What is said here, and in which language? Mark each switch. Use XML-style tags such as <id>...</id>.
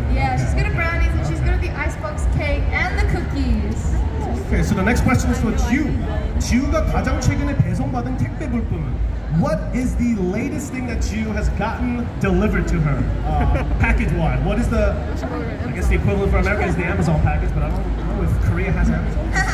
<en>Yeah, she's good at brownies and she's good at the icebox cake and the cookies. Okay, so the next question is for Jiu.</en> <ko>Jiu가 가장 최근에 배송받은 택배 물품.</ko> <en>What is the latest thing that Jiu has gotten delivered to her? Package-wise, what is the... I guess the equivalent for America is the Amazon package, but I don't know if Korea has Amazon.</en>